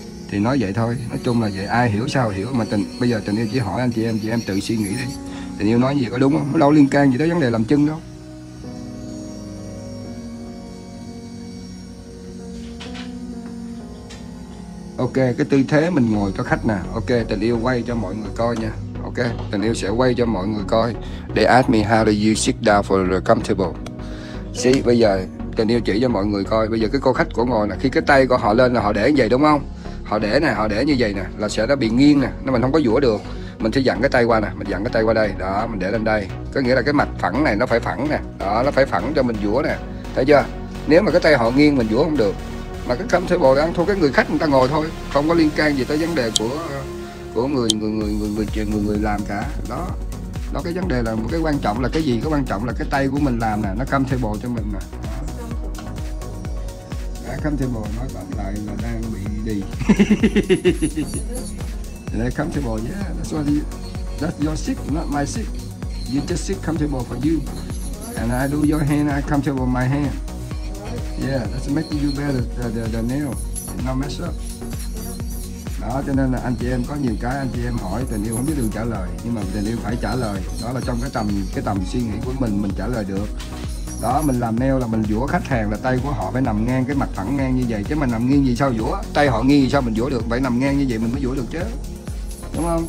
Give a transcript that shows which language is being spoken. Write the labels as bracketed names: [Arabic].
[Vietnamese] Thì nói vậy thôi, nói chung là vậy, ai hiểu sao hiểu. Mà bây giờ tình yêu chỉ hỏi anh chị em tự suy nghĩ đi, tình yêu nói gì có đúng không, nó đâu liên can gì tới vấn đề làm chân đâu. Ok, cái tư thế mình ngồi có khách nè, ok, tình yêu quay cho mọi người coi nha. Ok, tình yêu sẽ quay cho mọi người coi. [English] They ask me how do you sit down for the comfortable. [Vietnamese] See, bây giờ tình yêu chỉ cho mọi người coi. Bây giờ cái cô khách của ngồi nè, khi cái tay của họ lên là họ để như vậy đúng không? Họ để nè, họ để như vậy nè, là sẽ nó bị nghiêng nè, nó mình không có dũa được. Mình sẽ dặn cái tay qua nè, mình dặn cái tay qua đây. Đó, mình để lên đây. Có nghĩa là cái mặt phẳng này nó phải phẳng nè. Đó, nó phải phẳng cho mình dũa nè. Thấy chưa? Nếu mà cái tay họ nghiêng mình dũa không được. Mà cái comfortable ăn thôi, cái người khách người ta ngồi thôi, không có liên can gì tới vấn đề của người làm cả đó. Đó, cái vấn đề là một cái quan trọng là cái gì, cái quan trọng là cái tay của mình làm nè, nó comfortable cho mình nè. Comfortable nói bạn lại là đang bị đi. Đây [English] comfortable, yeah, that's what you, that's your seat, not my seat. You just sit comfortable for you, and I do your hand, I comfortable my hand. Yeah, that's making you better the nail, no mess up. [Vietnamese] Đó, cho nên là anh chị em có nhiều cái anh chị em hỏi tình yêu không biết đường trả lời, nhưng mà tình yêu phải trả lời. Đó là trong cái tầm suy nghĩ của mình trả lời được. Đó, mình làm nail là mình dũa khách hàng là tay của họ phải nằm ngang, cái mặt thẳng ngang như vậy. Chứ mình nằm nghiêng gì sao dũa, tay họ nghiêng gì sao mình dũa được, phải nằm ngang như vậy mình mới dũa được chứ. Đúng không?